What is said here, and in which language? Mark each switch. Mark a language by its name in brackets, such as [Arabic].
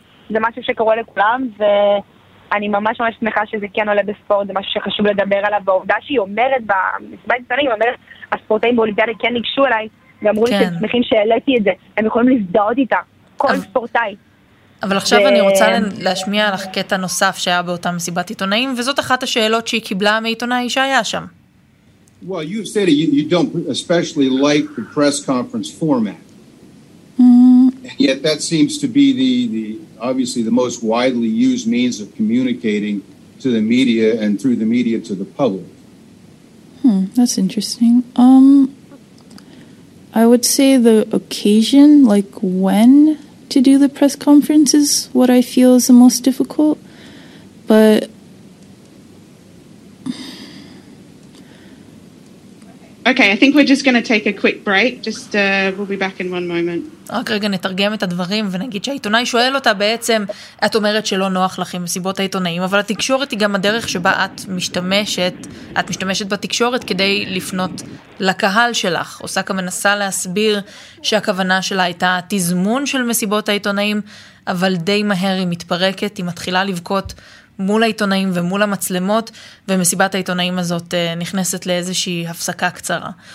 [Hebrew] זה משהו שקורה לכולם, ואני ממש ממש שמחה שזה כן עולה בספורט, זה משהו שחשוב לדבר עליו, והעובדה שהיא אומרת במסיבת עיתונאים, היא אומרת, הספורטאים באולימפיאדה כן ניגשו אליי, ואמרו לי שהם שמחים שהעליתי את זה, הם יכולים להזדהות איתה, כל ספורטאי. אבל עכשיו אני רוצה להשמיע לך קטע נוסף שהיה באותה מסיבת עיתונאים, וזאת אחת השאלות שהיא קיבלה מעיתונאי שהיה שם. [English] Well, you've said it, you don't especially like the press conference format. And yet that seems to be the obviously the most widely used means of communicating to the media and through the media to the public. That's interesting. I would say the occasion, like when to do the press conference is what I feel is the most difficult. But... Okay, I think we're just going to take a quick break. Just we'll be back in one moment. [Hebrew] רק רגע נתרגם את הדברים ונגיד שהעיתונאי שואל אותה בעצם, את אומרת שלא נוח לכם מסיבות העיתונאים, אבל התקשורת היא גם הדרך שבה את משתמשת בתקשורת כדי לפנות לקהל שלך. אוסקה מנסה להסביר שהכוונה שלה הייתה תזמון של מסיבות העיתונאים, אבל די מהר היא מתפרקת, היא מתחילה לבכות מול העיתונאים ומול המצלמות, ומסיבת העיתונאים הזאת נכנסת לאיזושהי הפסקה קצרה.